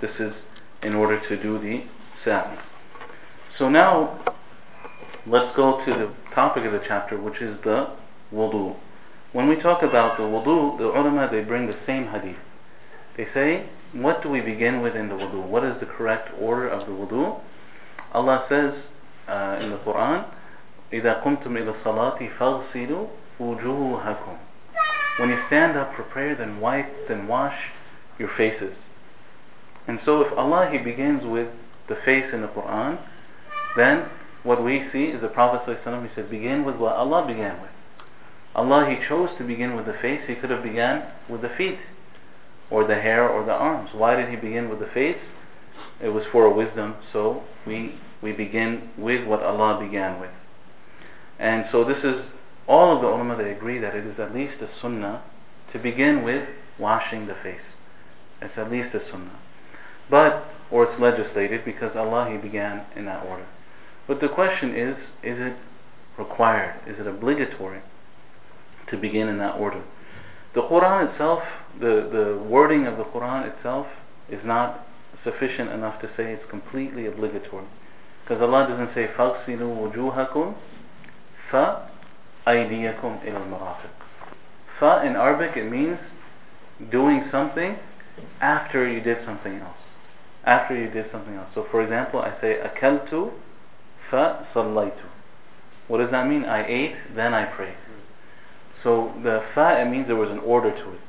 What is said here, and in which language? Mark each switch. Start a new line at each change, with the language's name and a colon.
English: This is in order to do the Sa'i. So now, let's go to the topic of the chapter, which is the wudu. When we talk about the wudu, the ulama, they bring the same hadith. They say, what do we begin with in the wudu? What is the correct order of the wudu? Allah says in the Quran,
Arabic: إِذَا قُمْتُمْ إِلَى الصَّلَاةِ فَغْسِلُوا وُجُوهَكُمْ.
English: When you stand up for prayer, then wipe, then wash your faces. And so if Allah, He begins with the face in the Quran, then what we see is the Prophet ﷺ, he said, begin with what Allah began with. Allah, He chose to begin with the face. He could have began with the feet, or the hair, or the arms. Why did He begin with the face? It was for a wisdom. So we begin with what Allah began with. And so this is, all of the ulama, they agree that it is at least a sunnah to begin with washing the face. It's at least a sunnah. But, or it's legislated, because Allah, He began in that order. But the question is it required? Is it obligatory to begin in that order? The Quran itself, the wording of the Quran itself is not sufficient enough to say it's completely obligatory. Because Allah doesn't say
Arabic: فَغْسِلُوا وُجُوهَكُمْ فَأَيْدِيَكُمْ إِلَى الْمَرَافِقِ.
English: فَ in Arabic, it means doing something after you did something else. After you did something else. So for example, I say
Arabic: أَكَلْتُ فَصَلَّيْتُ.
English: What does that mean? I ate, then I prayed. So the fa, it means there was an order to it.